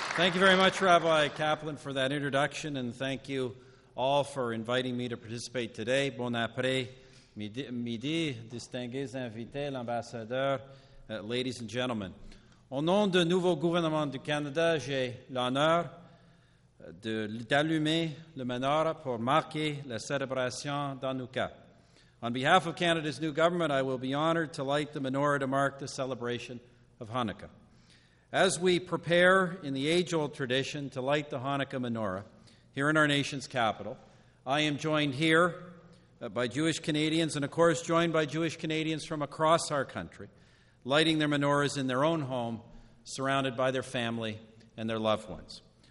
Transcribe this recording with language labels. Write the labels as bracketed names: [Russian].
[English] Thank you very much, Rabbi Kaplan, for that introduction, and thank you all for inviting me to participate today. [French] Bon après midi, distingués invités, l'ambassadeur, [English] ladies and gentlemen. [French] Au nom du nouveau gouvernement du Canada, j'ai l'honneur d'allumer le menorah pour marquer la célébration d'Anouka. [English] On behalf of Canada's new government, I will be honored to light the menorah to mark the celebration of Hanukkah. As we prepare in the age-old tradition to light the Hanukkah menorah here in our nation's capital, I am joined here by Jewish Canadians and, of course, joined by Jewish Canadians from across our country, lighting their menorahs in their own home, surrounded by their family and their loved ones.